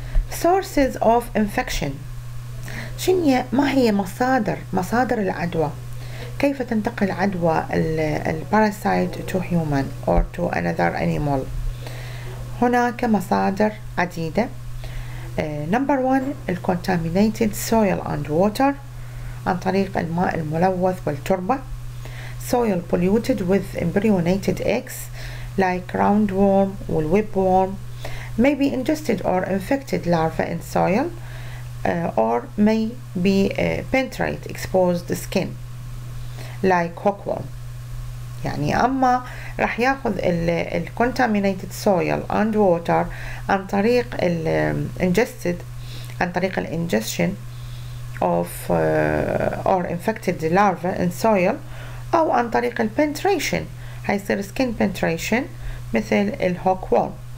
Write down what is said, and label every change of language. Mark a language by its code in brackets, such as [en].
[en] Sources of infection. [ar] شنية ما هي مصادر العدوى؟ كيف تنتقل عدوى ال [en] parasite to human or to another animal؟ [ar] هناك مصادر عديدة. [en] Number one, contaminated soil and water [ar] عن طريق الماء الملوث والتربة. [en] Soil polluted with embryonated eggs like roundworm or whipworm. Maybe ingested or infected larvae in soil or maybe penetrate exposed skin like hookworm. [ar] يعني أما رح يأخذ ال [en] contaminated soil and water [ar] عن طريق ال ingested عن طريق ال [en] ingestion of or infected larvae in soil [ar] أو عن طريق ال penetration هيصير skin penetration مثل ال hookworm.